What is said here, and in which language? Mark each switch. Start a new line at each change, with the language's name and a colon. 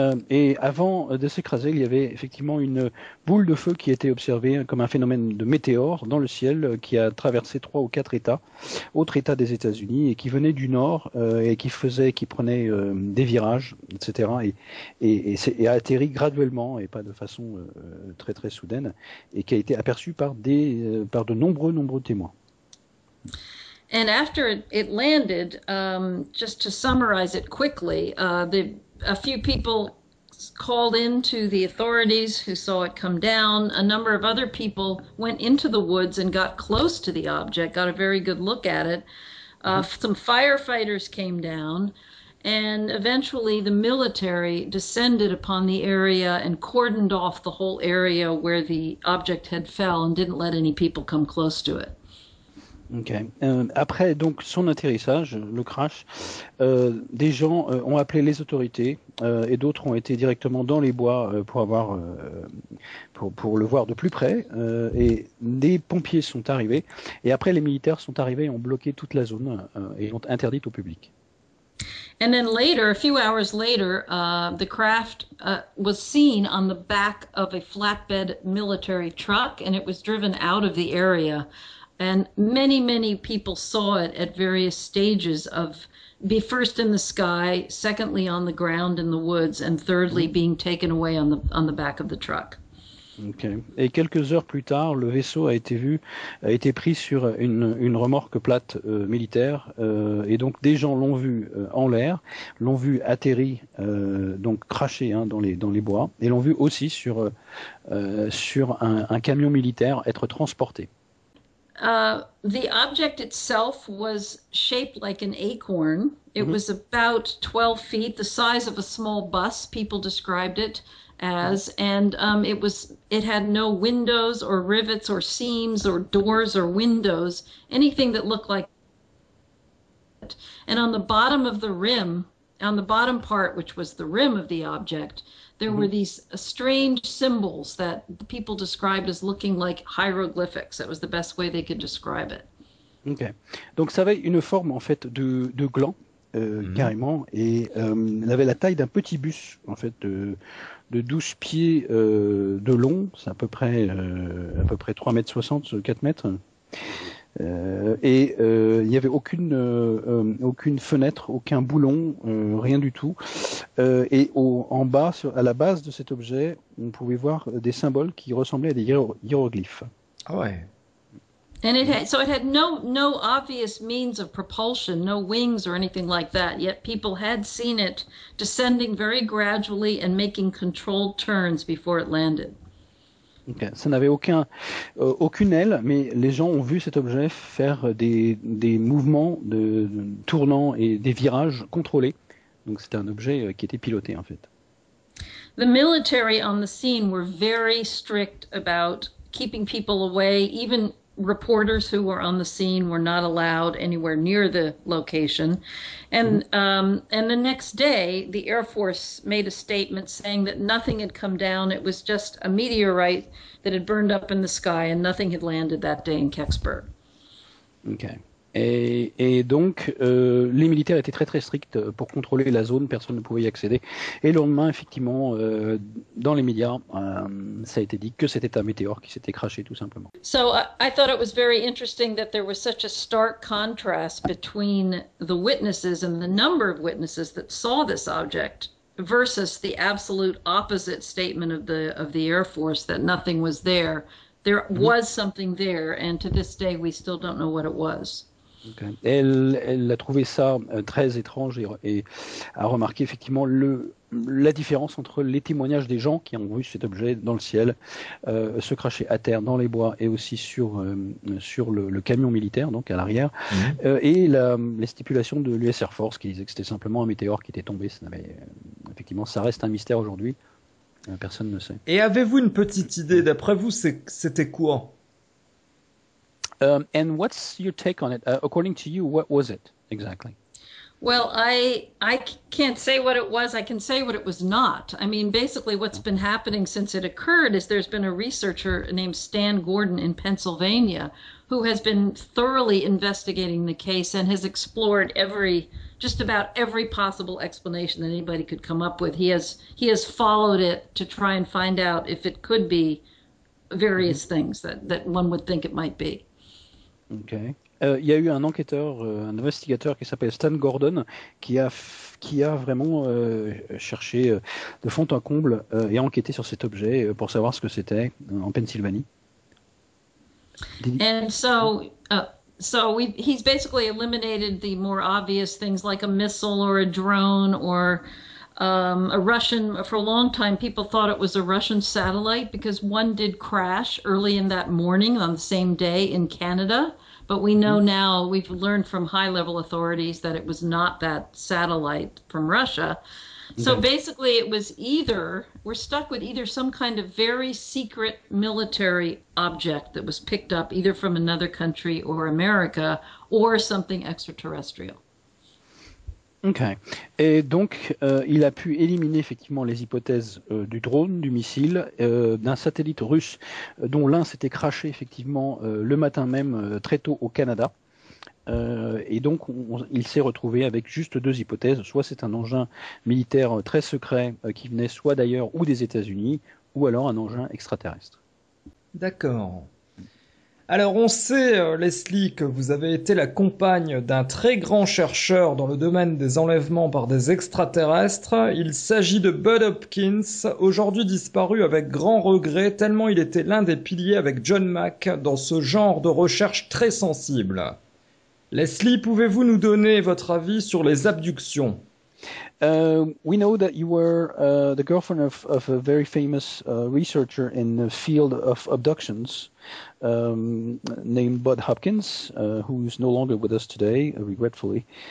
French: Et avant de s'écraser, il y avait effectivement une boule de feu qui était observée comme un phénomène de météore dans le ciel qui a traversé trois ou quatre États, autres États des États-Unis, et qui venait du nord et qui prenait des virages, etc. Et a atterri graduellement et pas de façon très très soudaine et qui a été aperçu par de nombreux témoins.
English: And after it landed, just to summarize it quickly, a few people called in to the authorities who saw it come down. A number of other people went into the woods and got close to the object, got a very good look at it. Some firefighters came down, and eventually the military descended upon the area and cordoned off the whole area where the object had fell and didn't let any people come close to it.
French: Après donc son atterrissage, le crash, des gens ont appelé les autorités et d'autres ont été directement dans les bois pour le voir de plus près. Et des pompiers sont arrivés et après les militaires sont arrivés et ont bloqué toute la zone et ont interdit au public.
English: And then later, a few hours later, the craft was seen on the back of a flatbed military truck, and it was driven out of the area. And many, many people saw it at various stages of be first in the sky, secondly on the ground in the woods, and thirdly being taken away on the back of the truck.
French: Et quelques heures plus tard, le vaisseau a été pris sur une remorque plate militaire, et donc des gens l'ont vu en l'air, l'ont vu atterrir, donc crasher hein, dans les bois, et l'ont vu aussi sur un camion militaire être transporté.
English: The object itself was shaped like an acorn. It Mm-hmm. was about 12 feet, the size of a small bus, people described it as. And it had no windows or rivets or seams or doors or windows, anything that looked like it. And on the bottom of the rim, on the bottom part, which was the rim of the object, there were these strange symbols that people described as looking like hieroglyphics. That was the best way they could describe it. Ok.
French: Donc ça avait une forme en fait de gland carrément et elle avait la taille d'un petit bus en fait de 12 pieds de long, c'est à peu près 3,60 m, 4 mètres. Et il n'y avait aucune fenêtre, aucun boulon, rien du tout. En bas, à la base de cet objet, on pouvait voir des symboles qui ressemblaient à des hiéroglyphes. Ah ouais.
English: And it had, so it had no obvious means of propulsion, no wings or anything like that. Yet people had seen it descending very gradually and making controlled turns before it landed. Okay.
French: Ça n'avait aucune aile, mais les gens ont vu cet objet faire des mouvements de tournants et des virages contrôlés. Donc c'était un objet qui était piloté en fait.
English: The military on the scene were very strict about keeping people away, even reporters who were on the scene were not allowed anywhere near the location. And the next day, the Air Force made a statement saying that nothing had come down. It was just a meteorite that had burned up in the sky, and nothing had landed that day in Kecksburg. Okay.
French: Et donc, les militaires étaient très très stricts pour contrôler la zone, personne ne pouvait y accéder. Et le lendemain, effectivement, dans les médias, ça a été dit que c'était un météore qui s'était crashé, tout simplement.
English: So I thought it was very interesting that there was such a stark contrast between the witnesses and the number of witnesses that saw this object versus the absolute opposite statement of the Air Force that nothing was there. There was something there, and to this day we still don't know what it was. Okay.
French: Elle a trouvé ça très étrange et a remarqué effectivement la différence entre les témoignages des gens qui ont vu cet objet dans le ciel, se cracher à terre dans les bois et aussi sur le camion militaire, donc à l'arrière, et les stipulations de l'US Air Force qui disaient que c'était simplement un météore qui était tombé. Effectivement, ça reste un mystère aujourd'hui. Personne ne sait. Et avez-vous une petite idée, d'après vous, c'était quoi?
English: And what's your take on it? According to you, what was it exactly? Well, I can't say what it was. I can say what it was not. I mean, basically, what's been happening since it occurred is there's been a researcher named Stan Gordon in Pennsylvania who has been thoroughly investigating the case and has explored just about every possible explanation that anybody could come up with. He has followed it to try and find out if it could be various things that one would think it might be. Okay.
French: Il y a eu un enquêteur, un investigateur qui s'appelle Stan Gordon, qui a vraiment cherché de fond en comble et enquêté sur cet objet pour savoir ce que c'était en Pennsylvanie.
English: And so he's basically eliminated the more obvious things like a missile or a drone or a Russian. For a long time, people thought it was a Russian satellite because one did crash early in that morning on the same day in Canada. But we know now, we've learned from high-level authorities that it was not that satellite from Russia. So basically, it was either, we're stuck with either some kind of very secret military object that was picked up either from another country or America or something extraterrestrial. Okay.
French: Et donc, il a pu éliminer effectivement les hypothèses du drone, du missile, d'un satellite russe dont l'un s'était crashé effectivement le matin même, très tôt au Canada. Et donc, il s'est retrouvé avec juste deux hypothèses. Soit c'est un engin militaire très secret qui venait soit d'ailleurs ou des États-Unis, ou alors un engin extraterrestre. D'accord. Alors on sait, Leslie, que vous avez été la compagne d'un très grand chercheur dans le domaine des enlèvements par des extraterrestres. Il s'agit de Bud Hopkins, aujourd'hui disparu avec grand regret, tellement il était l'un des piliers avec John Mack dans ce genre de recherche très sensible. Leslie, pouvez-vous nous donner votre avis sur les abductions?
English: We know that you were the girlfriend of a very famous researcher in the field of abductions named Bud Hopkins, who's no longer with us today, regretfully.